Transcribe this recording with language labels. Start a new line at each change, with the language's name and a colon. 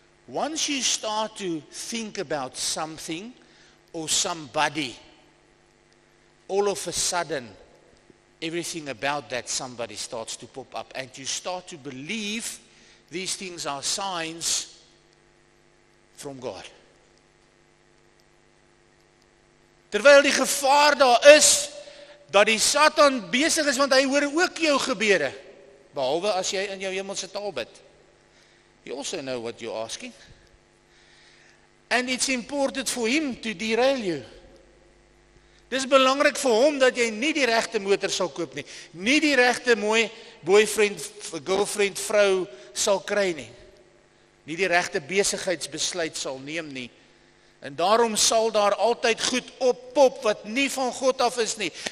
English: Once you start to think about something, or somebody, all of a sudden, everything about that somebody starts to pop up and you start to believe these things are signs from God.
Afrikaans: Terwyl die gevaar daar is, dat die Satan besig is, want hy hoor ook jou gebede, behalwe as jy in jou hemelse taal bid.
English: You also know what you're asking. And it's important for him to derail you.
Afrikaans: Dis belangrik vir hom dat jy nie die regte motor sal koop nie. Nie die regte mooi boyfriend, girlfriend, vrou sal kry nie. Nie die regte besigheidsbesluit sal neem nie. En daarom sal daar altyd goed op pop wat nie van God af is nie.